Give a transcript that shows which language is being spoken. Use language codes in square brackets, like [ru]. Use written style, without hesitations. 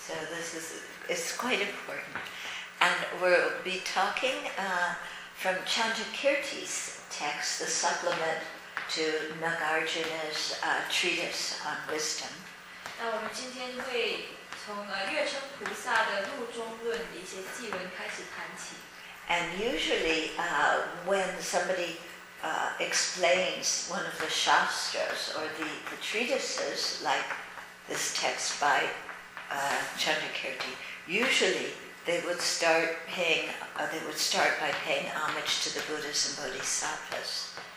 [en] this is quite important, and we'll be talking from Chandrakirti's text, the supplement to Nagarjuna's treatise on wisdom. [zh] 那我们今天会从月称菩萨的入中论的一些记文开始谈起。And [en] usually, when somebody explains one of the shastras or the treatises like this text by Chandrakirti, usually they would start by paying homage to the Buddhas and Bodhisattvas.